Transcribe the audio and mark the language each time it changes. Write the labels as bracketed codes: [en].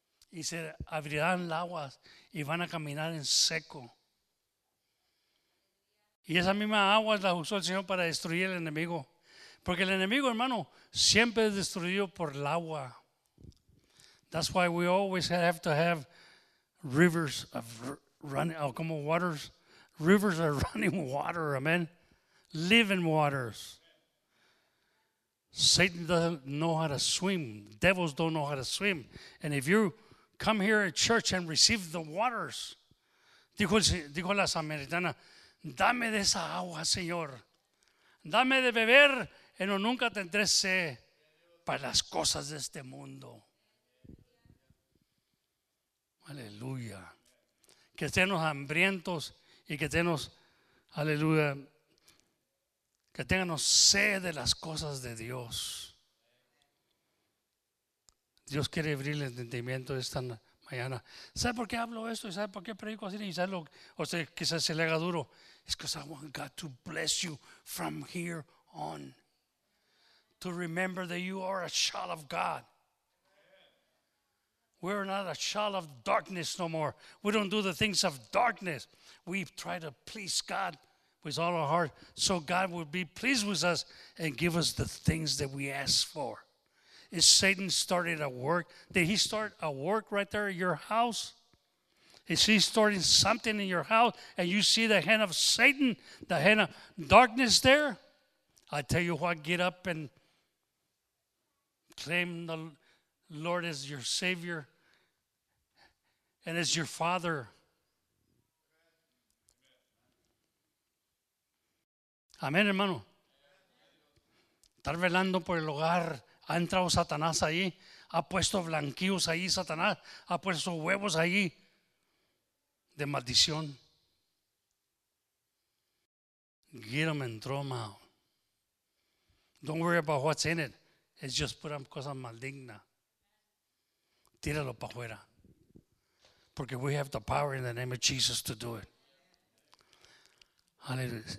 [es] Y se abrirán las aguas y van a caminar en seco. Y esa misma agua la usó el Señor para destruir el enemigo. Porque el enemigo, hermano, siempre es destruido por el agua. [en] That's why we always have to have rivers of running, oh, [es] como [en] waters. Rivers of running water, amen. Living waters. Satan doesn't know how to swim. Devils don't know how to swim. And if you come here at church and receive the waters. [es] Dijo la Samaritana, dame de esa agua, Señor. Dame de beber, en lo nunca tendré sed para las cosas de este mundo. Aleluya. Que estemos hambrientos y que tengamos, aleluya, que tengamos sed de las cosas de Dios. Dios quiere abrir el entendimiento esta mañana. ¿Sabe por qué hablo esto? ¿Sabe por qué predico así? Y sabe lo, o sea, quizás se le haga duro. [en] It's because I want God to bless you from here on. To remember that you are a child of God. We're not a child of darkness no more. We don't do the things of darkness. We try to please God with all our heart so God will be pleased with us and give us the things that we ask for. Is Satan started a work? Did he start a work right there at your house? Is he starting something in your house and you see the hand of Satan, the hand of darkness there? I tell you what, get up and claim the Lord as your Savior and as your Father. [es] Amén, hermano. Estar velando por el hogar. Ha entrado Satanás ahí, ha puesto blanquillos ahí, Satanás, ha puesto huevos ahí de maldición. [en] Get them and throw them out. Don't worry about what's in it. It's just put up [es] cosas maligna. Tíralo para afuera. Porque [en] we have the power in the name of Jesus to do it. Hallelujah.